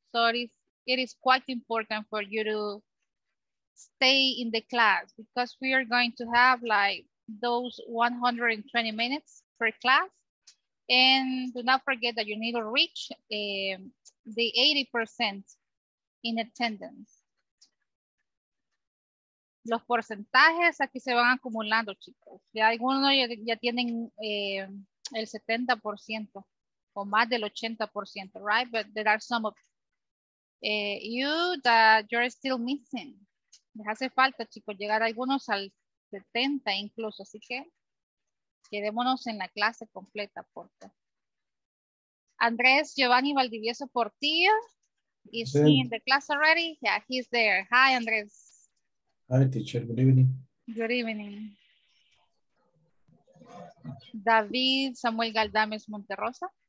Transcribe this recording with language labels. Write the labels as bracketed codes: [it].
[en] So it is quite important for you to stay in the class because we are going to have like those 120 minutes per class. And do not forget that you need to reach the 80% in attendance. [es] Los porcentajes aquí se van acumulando, chicos. Ya algunos ya tienen el 70% o más del 80%, [en] right? But there are some of you that you're still missing. [es] Me hace falta, chicos, llegar algunos al 70 incluso, así que quedémonos en la clase completa, porfa. [en] Andrés Giovanni Valdivieso Portillo, is he in the class already? Yeah, he's there. Hi, Andrés. Hi, teacher. Good evening. Good evening. David Samuel Galdames Monterrosa.